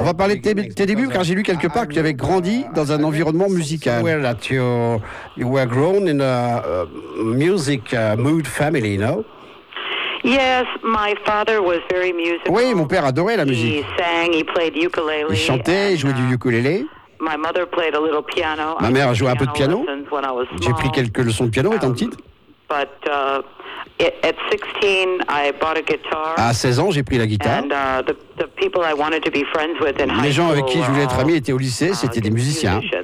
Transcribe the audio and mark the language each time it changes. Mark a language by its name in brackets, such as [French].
[French] On va parler de tes débuts car j'ai lu quelque part que tu avais grandi dans un environnement musical. [English] Where that you were grown in a music mood family, no? Yes, my father was very musical. [French] Oui, mon père adorait la musique. [English] He sang, he played ukulele. [French] Il chantait, il jouait du ukulélé. [English] My mother played a little piano. [French] Ma mère jouait un peu de piano. J'ai pris quelques leçons de piano étant petite. [English] But at 16, I bought a guitar. [French] À 16 ans, j'ai pris la guitare. [English] And the people I wanted to be friends with in high school. [French] Les gens avec qui je voulais être ami étaient au lycée, c'était des musiciens.